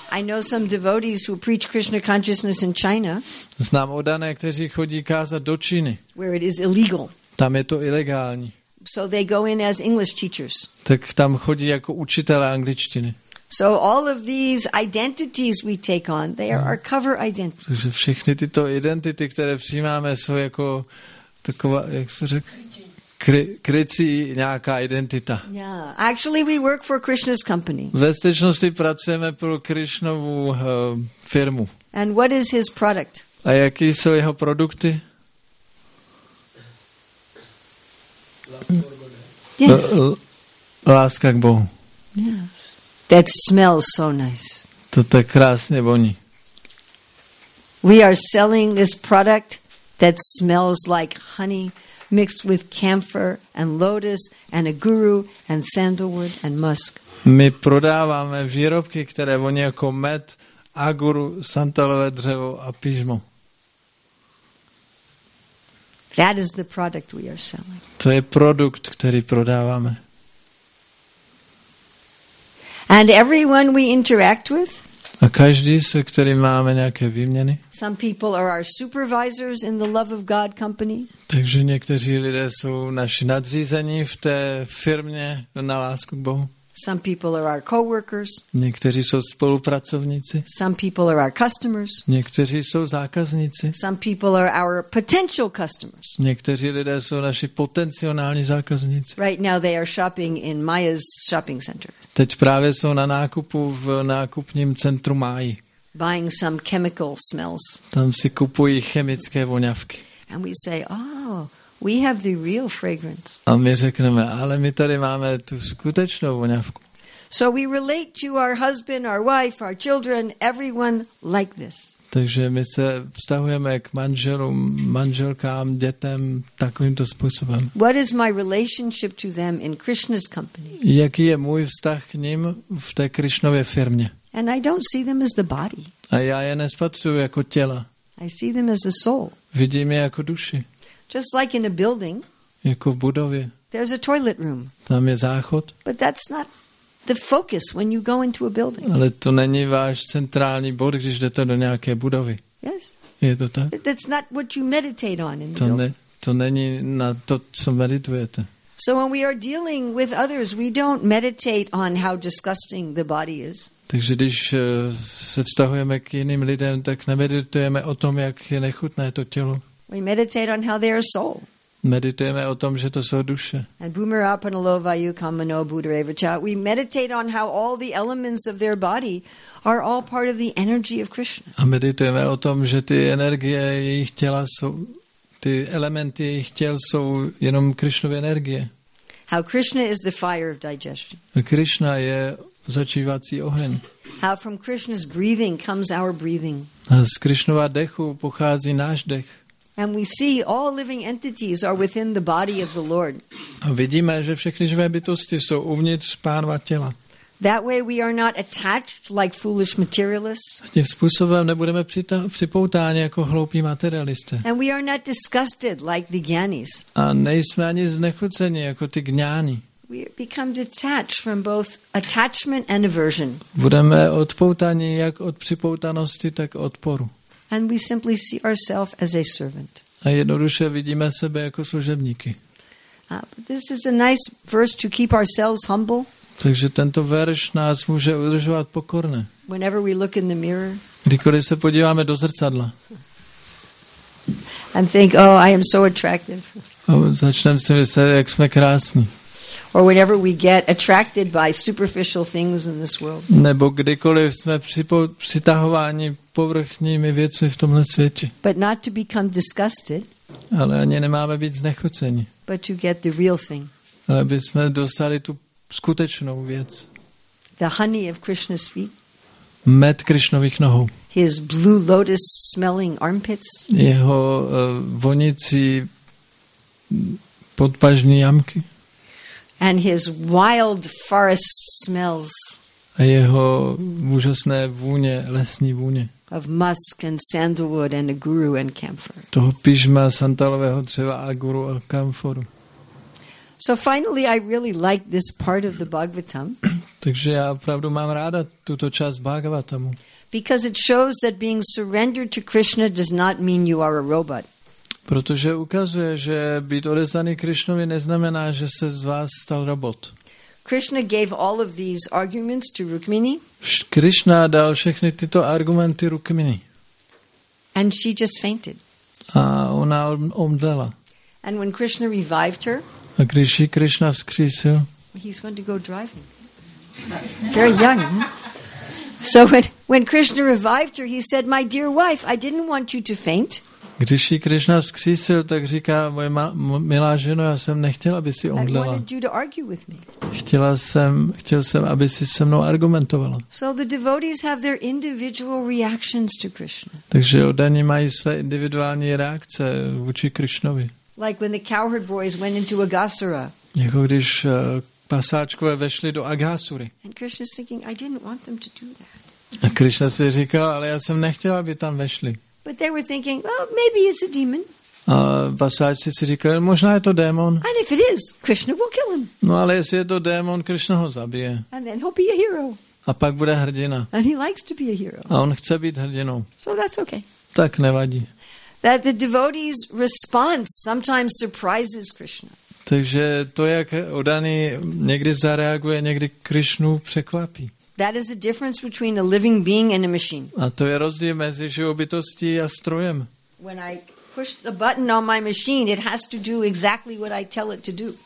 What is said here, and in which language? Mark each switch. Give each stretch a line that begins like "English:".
English: I know some devotees who preach Krishna consciousness in China.
Czech: Znám oddané, kteří chodí kázat do Číny.
English: Where it is illegal.
Czech: Tam je to ilegální.
English: So they go in as English teachers.
Czech: Tak tam chodí jako učitelé angličtiny.
English: So all of these identities we take on, they are our cover identities.
Czech: Takže všechny tyto identity, které přijímáme, jsou jako taková, jak se řekl, krycí nějaká identita.
English: Yeah. Actually, we work for Krishna's company.
Czech: Ve skutečnosti pracujeme pro Krishnovu firmu.
English: And what is his product?
Czech: A jaký jsou jeho produkty?
English: Yes.
Czech: Láska k Bohu.
English: Yes. That smells so nice.
Czech: To tak krásně voní.
English: We are selling this product that smells like honey mixed with camphor and lotus and a guru and sandalwood and musk.
Czech: My prodáváme výrobky, které voní jako med, aguru, santalové dřevo a pižmo.
English: That is the product we are selling.
Czech: To je produkt, který prodáváme.
English: And everyone we interact with?
Czech: A každý, se kterým máme nějaké výměny?
English: Some people are our supervisors in the Love of God company.
Czech: Takže někteří lidé jsou naši nadřízení v té firmě na lásku k Bohu.
English: Some people are our coworkers.
Czech: Někteří jsou spolupracovníci.
English: Some people are our customers.
Czech: Někteří jsou zákazníci.
English: Some people are our potential customers.
Czech: Někteří lidé jsou naši potenciální zákazníci.
English: Right now they are shopping in Maya's shopping center.
Czech: Teď právě jsou na nákupu v nákupním centru Máji.
English: Buying some chemical smells.
Czech: Tam si kupují chemické voňavky.
English: And we say, oh, we have the real fragrance.
Czech: A my řekneme, ale my tady máme tu skutečnou voňavku.
English: So we relate to our husband, our wife, our children, everyone like this.
Czech: Takže my se vztahujeme k manželům, manželkám, dětem takovýmto způsobem.
English: What is my relationship to them in Krishna's company?
Czech: Jaký je můj vztah k ním v té Krishnově firmě?
English: And I don't see them as the body.
Czech: A já je nespatřuji jako těla.
English: I see them as the soul.
Czech: Vidím je jako duši.
English: Just like in a building.
Czech: Jako v budově.
English: There's a toilet room.
Czech: Tam je záchod.
English: But that's not the focus when you go into a building.
Czech: Ale to není váš centrální bod, když jdete do nějaké budovy.
English: Yes.
Czech: Je to tak?
English: That's not what you meditate on in the building.
Czech: To není na to, co meditujete.
English: So when we are dealing with others, we don't meditate on how disgusting the body is.
Czech: Takže když se vztahujeme k jiným lidem, tak nemeditujeme o tom, jak je nechutné to tělo.
English: We meditate on how they are soul.
Czech: Meditujeme o tom, že to jsou duše.
Sanskrit: And bhumirapanalovayu kamano buddhareva.
English: We meditate on how all the elements of their body are all part of the energy of Krishna.
Czech: A meditujeme o tom, že ty energie jejich těla jsou, ty elementy jejich těl jsou jenom Krishnovy energie.
English: How Krishna is the fire of digestion.
Czech: Krishna je začívací oheň.
English: How from Krishna's breathing comes our breathing.
Czech: A z Krishnova dechu pochází náš dech.
English: And we see all living entities are within the body of the Lord.
Czech: A vidíme, že všechny živé bytosti jsou uvnitř Pánova těla.
English: That way we are not attached like foolish materialists.
Czech: Tím způsobem nebudeme připoutáni jako hloupí materialisté.
English: And we are not disgusted like the gyanis.
Czech: A nejsme ani znechuceni jako ty gňáni.
English: We become detached from both attachment and aversion.
Czech: Budeme odpoutáni jak od připoutanosti, tak odporu.
English: And we simply see ourselves as a servant.
Czech: A jednoduše vidíme sebe jako služebníky.
English: This is a nice verse to keep ourselves humble.
Czech: Takže tento verš nás může udržovat pokorné.
English: Whenever we look in the mirror.
Czech: Kdykoliv se podíváme do zrcadla.
English: And think, oh, I am so attractive.
Czech: A začneme si myslet, jak jsme krásní.
English: Or whenever we get attracted by superficial things in this world.
Czech: Nebo kdykoliv jsme přitahováni povrchními věcmi v tomhle světě.
English: But not to become disgusted.
Czech: Ale ani nemáme být znechuceni.
English: But to get the real thing.
Czech: Ale aby jsme dostali tu skutečnou věc.
English: The honey of Krishna's feet.
Czech: Med Krišnových nohou.
English: His blue lotus smelling armpits.
Czech: Jeho vonicí podpažní jamky.
English: And his wild forest smells.
Czech: A jeho úžasné vůně, lesní vůně.
English: Of musk and sandalwood and aguru and camphor.
Czech: Toho pižma, santalového dřeva, aguru a kamforu.
English: So finally I really like this part of the Bhagavatam.
Czech: Takže já opravdu mám ráda tuto část Bhagavatamu.
English: Because it shows that being surrendered to Krishna does not mean you are a robot.
Czech: Protože ukazuje, že být odevzdaný Krišnovi neznamená, že se z vás stal robot.
English: Krishna gave all of these arguments to Rukmini.
Czech: Krishna dal všechny tyto argumenty Rukmini.
English: And she just fainted.
Czech: A ona omdlela.
English: And when Krishna revived her,
Czech: a když ji Krishna vzkřísil,
English: he's going to go driving. Very young. So when Krishna revived her, he said, "My dear wife, I didn't want you to faint."
Czech: Když ji Krishna vzkřísil, tak říká, moje milá ženo, já jsem nechtěl, aby si omdlela.
English: I wanted you to argue with me.
Czech: Chtěl jsem, aby si se mnou argumentovala.
English: So the devotees have their individual reactions to Krishna.
Czech: Takže oddaní mají své individuální reakce vůči Krishnovi.
English: Like when the cowherd boys went into Agasura.
Czech: Jako když pasáčkové vešli do Agasury.
English: And Krishna's thinking, I didn't want them to do that.
Czech: A Krishna si říkal, ale já jsem nechtěl, aby tam vešli.
English: But they were thinking, well, maybe it's a demon.
Czech: A pasáčci si říkali, možná je to démon.
English: And if it is, Krishna will kill him.
Czech: No ale jestli je to démon, Krishna ho zabije.
English: And then he'll be a hero.
Czech: A pak bude hrdina.
English: And he likes to be a hero.
Czech: A on chce být hrdinou.
English: So that's okay.
Czech: Tak nevadí.
English: That the devotee's response sometimes surprises Krishna.
Czech: Takže to, jak oddaný někdy zareaguje, někdy Krishnu překvapí.
English: That is the difference between a living being and a machine.
Czech: A to je rozdíl mezi živobytostí a strojem.
English: When I push the button on my machine, it has to do exactly what I tell it to do.